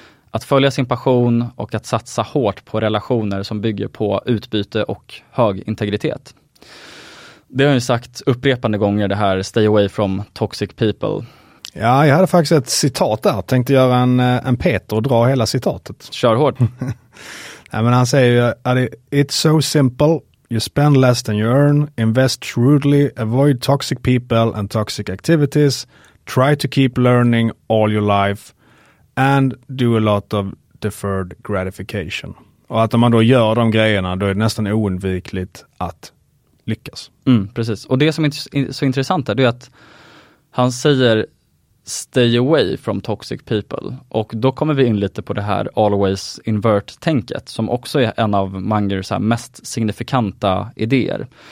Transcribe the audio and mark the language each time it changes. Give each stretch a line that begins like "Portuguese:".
Swedish: Att följa sin passion och att satsa hårt på relationer som bygger på utbyte och hög integritet. Det har jag ju sagt upprepande gånger, det här
English: stay away from toxic people.
Swedish: Ja, jag hade faktiskt ett citat där. Tänkte göra en Peter och dra hela citatet. Kör hårt. Nej, men han säger ju,
English: it's so simple, you spend less than you earn, invest shrewdly, avoid toxic people and toxic activities, try to keep learning all your life, and do a lot of deferred gratification.
Swedish: Och att om man då gör de grejerna, då är det nästan oundvikligt att lyckas. Mm, precis. Och det som är så intressant är att han säger
English: stay away from toxic people.
Swedish: Och då kommer vi in lite på det här always invert-tänket, som också är en av Mungers mest signifikanta idéer.